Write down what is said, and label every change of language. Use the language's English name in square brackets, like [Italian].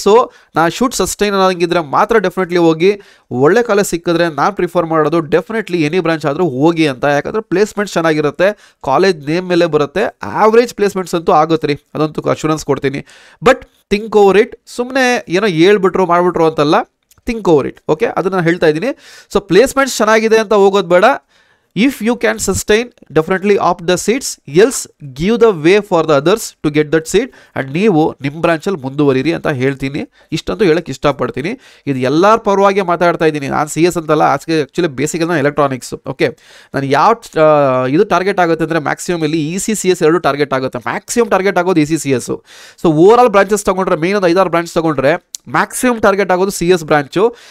[Kannada] So ನಾನು shoot sustain ಆಗಿದ್ರೆ ಮಾತ್ರ ಡೆಫಿನೆಟ್ಲಿ ಹೋಗಿ. ಒಳ್ಳೆ ಕಾಲೇಜ್ ಸಿಕ್ಕಿದ್ರೆ ನಾನು ಪ್ರಿಫರ್ ಮಾಡೋದು ಡೆಫಿನೆಟ್ಲಿ ಎನಿ ಬ್ರಾಂಚ್ ಆದರೂ ಹೋಗಿ ಅಂತ. ಯಾಕಂದರೆ ಪ್ಲೇಸ್ಮೆಂಟ್ಸ್ ಚೆನ್ನಾಗಿರುತ್ತೆ, ಕಾಲೇಜ್ ನೇಮ್ ಮೇಲೆ ಬರುತ್ತೆ, ಆ್ಯಾವ್ರೇಜ್ ಪ್ಲೇಸ್ಮೆಂಟ್ಸ್ ಅಂತೂ ಆಗುತ್ತೆ ರೀ, ಅದಂತೂ ಅಶ್ಯೂರೆನ್ಸ್ ಕೊಡ್ತೀನಿ. [English] but think over it, [Kannada] ಸುಮ್ಮನೆ ಏನೋ ಹೇಳ್ಬಿಟ್ರು ಮಾಡಿಬಿಟ್ರು ಅಂತಲ್ಲ, [English] Think over it. [Kannada] ಓಕೆ, ಅದನ್ನು ನಾನು ಹೇಳ್ತಾ ಇದ್ದೀನಿ. ಸೊ ಪ್ಲೇಸ್ಮೆಂಟ್ಸ್ ಚೆನ್ನಾಗಿದೆ ಅಂತ ಹೋಗೋದು ಬೇಡ. [English] If you can sustain, definitely opt the seats. Else, give the way for the others to get that seat. [Kannada] And ನೀವು ನಿಮ್ಮ ಬ್ರಾಂಚಲ್ಲಿ ಮುಂದುವರಿರಿ ಅಂತ ಹೇಳ್ತೀನಿ. ಇಷ್ಟಂತೂ ಹೇಳೋಕ್ಕೆ ಇಷ್ಟಪಡ್ತೀನಿ. ಇದು ಎಲ್ಲರ ಪರವಾಗಿ ಮಾತಾಡ್ತಾ ಇದ್ದೀನಿ. ನಾನು CS ಅಂತಲ್ಲ, ಆಸ್ಕೆ ಆ್ಯಕ್ಚುಲಿ ಬೇಸಿಕ್ ಅಂದರೆ ಎಲೆಕ್ಟ್ರಾನಿಕ್ಸ್. ಓಕೆ, ನಾನು ಯಾವ ಇದು ಟಾರ್ಗೆಟ್ ಆಗುತ್ತೆ ಅಂದರೆ ಮ್ಯಾಕ್ಸಿಮಮ್ ಇಲ್ಲಿ ECCS ಎರಡು ಟಾರ್ಗೆಟ್ ಆಗುತ್ತೆ. ಮ್ಯಾಕ್ಸಿಮಮ್ ಟಾರ್ಗೆಟ್ ಆಗೋದು ECCS. ಸೊ ಓವರ್ಆಲ್ ಬ್ರಾಂಚಸ್ ತೊಗೊಂಡ್ರೆ, ಮೇನ್ ಒಂದು 5-6 ಬ್ರಾಂಚ್ ತೊಗೊಂಡ್ರೆ ಮ್ಯಾಕ್ಸಿಮಮ್ ಟಾರ್ಗೆಟ್ ಆಗೋದು CS ಬ್ರಾಂಚು.